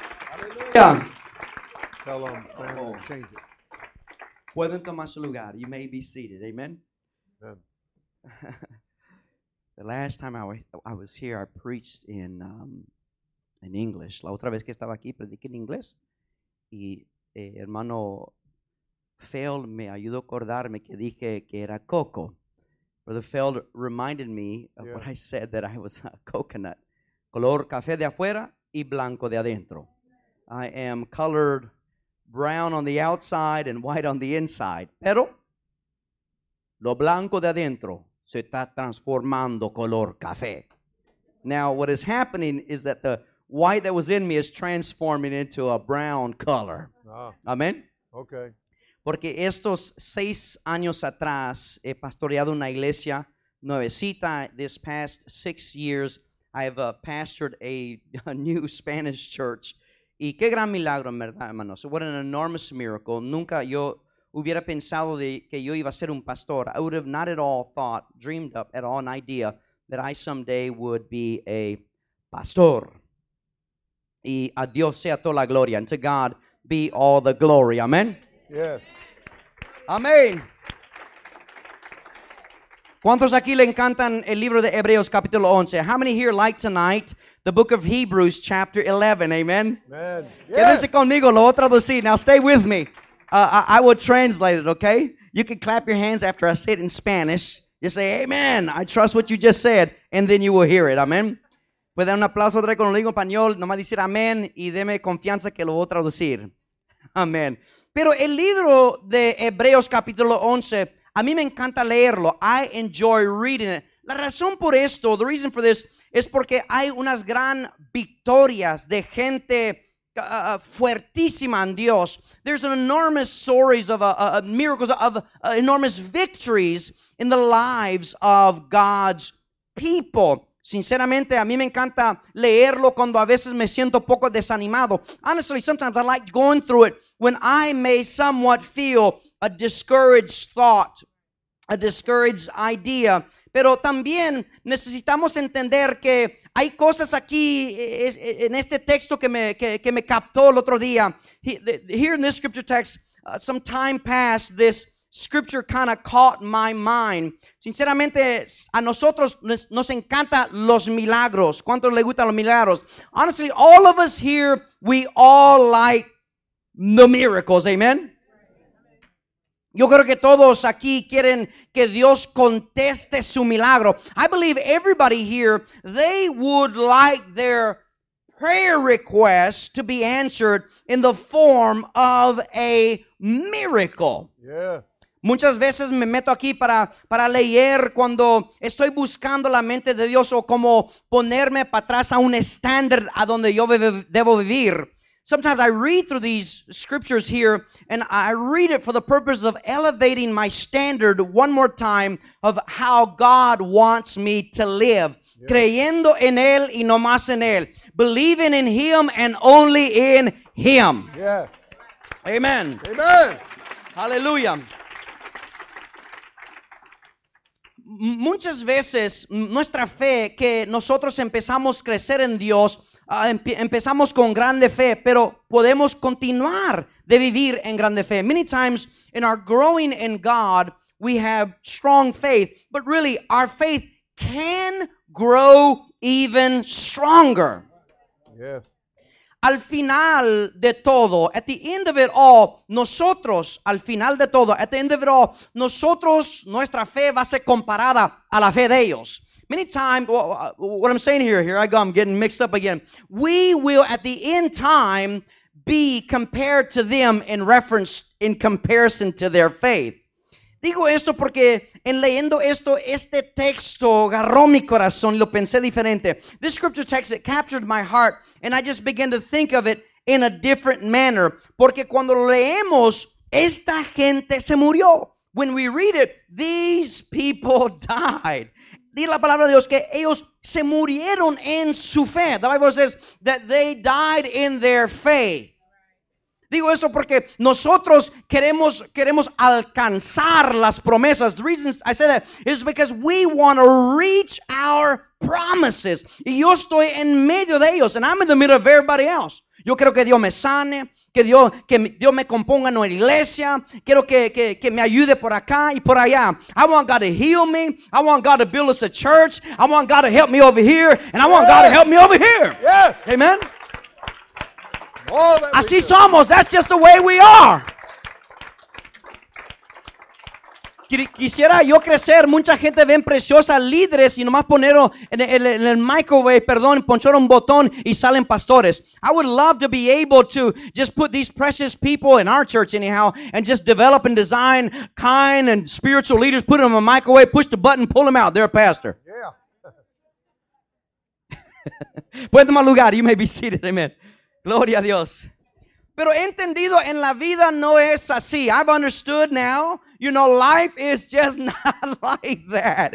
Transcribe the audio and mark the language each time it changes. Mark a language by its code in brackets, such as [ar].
[en] Hallelujah. Tell them, change it. [es] Pueden tomar su lugar. [en] You may be seated. [es] Amen. [en] The last time I was here, I preached in English. [es] La otra vez que estaba aquí, prediqué en inglés. Y hermano Feld me ayudó a acordarme que dije que era coco. [en] Brother Feld reminded me of what I said, that I was a coconut. [es] Color café de afuera y blanco de adentro. [en] I am colored brown on the outside and white on the inside. [es] Pero lo blanco de adentro se está transformando color café. [en] Now, what is happening is that the white that was in me is transforming into a brown color. Ah. Amen? Okay. [es] Porque estos 6 años atrás he pastoreado una iglesia nuevecita. [en] This past 6 years, I have pastored a new Spanish church. [es] Y qué gran milagro, ¿verdad, hermanos? [en] What an enormous miracle. [es] Nunca yo hubiera pensado de que yo iba a ser un pastor. [en] I would have not at all thought, dreamed up at all an idea that I someday would be a pastor. [es] Y a Dios sea toda la gloria. [en] And to God be all the glory. [es] Amen. [en] Yes. [es] Amén. ¿Cuántos aquí le encantan el libro de Hebreos capítulo 11? [en] How many here like tonight the book of Hebrews chapter 11? Amen. Amen. [es] Quédense conmigo, lo voy a traducir. [en] Now stay with me. I will translate it, okay? You can clap your hands after I say it in Spanish. You say, amen. I trust what you just said. And then you will hear it. Amen. [es] Puede dar un aplauso otra vez cuando lo digo en español. Nomás decir amén y deme confianza que lo voy a traducir. Amén. Pero el libro de Hebreos capítulo 11, a mí me encanta leerlo. [en] I enjoy reading it. [es] La razón por esto, [en] the reason for this, [es] es porque hay unas gran victorias de gente fuertísima en Dios. [en] There's an enormous stories of miracles, of enormous victories in the lives of God's people. [es] Sinceramente, a mí me encanta leerlo cuando a veces me siento poco desanimado. [en] Honestly, sometimes I like going through it when I may somewhat feel a discouraged thought, a discouraged idea. [es] Pero también necesitamos entender que hay cosas aquí en este texto que me captó el otro día. [en] Here in this scripture text, some time passed, this scripture kind of caught my mind. [es] Sinceramente, a nosotros nos encanta los milagros. ¿Cuántos le gustan los milagros? [en] Honestly, all of us here, we all like the miracles. Amen. [es] Yo creo que todos aquí quieren que Dios conteste su milagro. [en] I believe everybody here, they would like their prayer request to be answered in the form of a miracle. Yeah. [es] Muchas veces me meto aquí para leer cuando estoy buscando la mente de Dios o como ponerme para atrás a un estándar a donde yo debo vivir. [en] Sometimes I read through these scriptures here and I read it for the purpose of elevating my standard one more time of how God wants me to live. Yeah. [es] Creyendo en Él y no más en Él. [en] Believing in Him and only in Him. Yeah. Amen. Amen. Hallelujah. [es] Muchas veces nuestra fe, que nosotros empezamos a crecer en Dios, empezamos con grande fe, pero podemos continuar de vivir en grande fe. [en] Many times in our growing in God, we have strong faith, but really our faith can grow even stronger. Yeah. [es] Al final de todo, [en] at the end of it all, [es] nosotros, al final de todo, at the end of it all, nosotros, nuestra fe va a ser comparada a la fe de ellos. [en] Many times, what I'm saying here I go, I'm getting mixed up again. We will, at the end time, be compared to them in reference, in comparison to their faith. [es] Digo esto porque en leyendo esto, este texto agarró mi corazón, lo pensé diferente. [en] This scripture text, it captured my heart, and I just began to think of it in a different manner. [es] Porque cuando leemos, esta gente se murió. [en] When we read it, these people died. [es] Dice la palabra de Dios que ellos se murieron en su fe. [en] The Bible says that they died in their faith. [es] Digo eso porque nosotros queremos alcanzar las promesas. [en] The reason I say that is because we want to reach our promises. [es] Y yo estoy en medio de ellos, [en] and I'm in the middle of everybody else. [es] Yo quiero que Dios me sane, que Dios me componga en una iglesia. Quiero que me ayude por acá y por allá. [en] I want God to heal me. I want God to build us a church. I want God to help me over here, and I want God to help me over here. Yeah. Amen. [es] Así somos. [en] That's just the way we are. [es] Quisiera yo crecer. Mucha gente ven preciosas líderes y nomás ponieron en el microwave, perdón, poncharon un botón y salen pastores. [en] I would love to be able to just put these precious people in our church anyhow and just develop and design kind and spiritual leaders, put them in a microwave, push the button, pull them out. They're a pastor. Yeah. [es] Puede tomar lugar. [en] You may be seated. [es] Amen. Gloria a Dios. Pero entendido, en la vida no es así. [en] I've understood now, you know, life is just not like that.